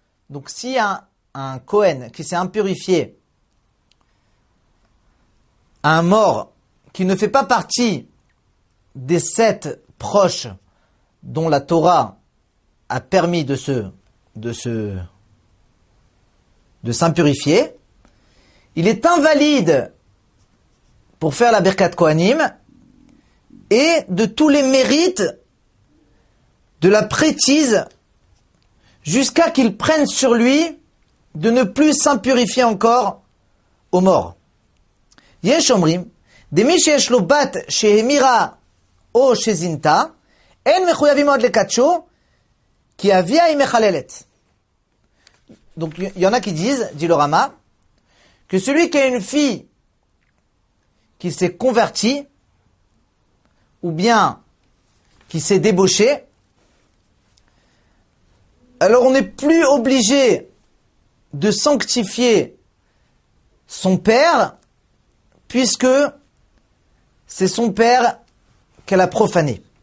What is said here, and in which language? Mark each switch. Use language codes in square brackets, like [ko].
[fr] Donc si un Kohen qui s'est impurifié, un mort qui ne fait pas partie des sept proches dont la Torah a permis de s'impurifier, il est invalide pour faire la Birkat Kohanim et de tous les mérites de la prêtise jusqu'à qu'il prenne sur lui de ne plus s'impurifier encore aux morts. [he] יש אומרים, דמי שיש לו בת שהמירה או שזינתה, אין מחויבים עוד לקדשו, כי אביה היא מחללת. [fr] Donc, il y en a qui disent, dit le Rama, que celui qui a une fille qui s'est convertie, ou bien qui s'est débauchée, Alors on n'est plus obligé de sanctifier son père, puisque c'est son père qu'elle a profané.